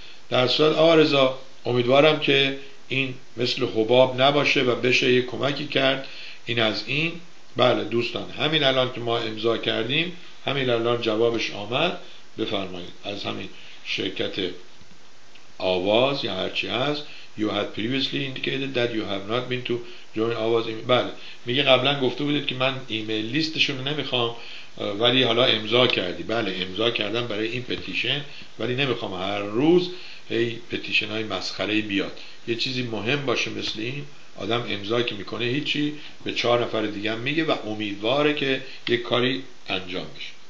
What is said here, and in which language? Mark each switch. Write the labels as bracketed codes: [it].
[fa] در صورت آقا رضا امیدوارم که این مثل حباب نباشه و بشه یه کمکی کرد این از این. بله دوستان، همین الان که ما امضا کردیم همین الان جوابش آمد. بفرمایید از همین شرکت آواز یا هرچی هست. [en] You had previously indicated that you have not been to join آواز. [fa] بله، میگه قبلا گفته بودید که من ایمیل لیستشون رو نمیخوام ولی حالا امضا کردی. بله امضا کردم برای این پتیشن، ولی نمیخوام هر روز هی پتیشن های مسخره بیاد. یه چیزی مهم باشه مثل این، آدم امضا که میکنه هیچی، به 4 نفر دیگه میگه و امیدواره که یه کاری انجام بشه.